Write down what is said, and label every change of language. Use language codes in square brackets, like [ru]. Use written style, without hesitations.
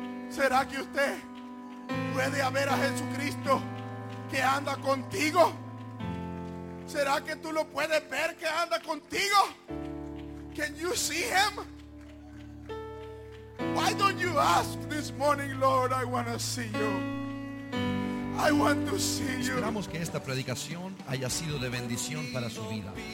[es] ¿Será que usted puede ver a Jesucristo que anda contigo? ¿Será que tú lo puedes ver que anda contigo? [en] Can you see him? Why don't you ask this morning, Lord, I want to see you. I want to see you. [es] Esperamos que esta predicación haya sido de bendición para su vida.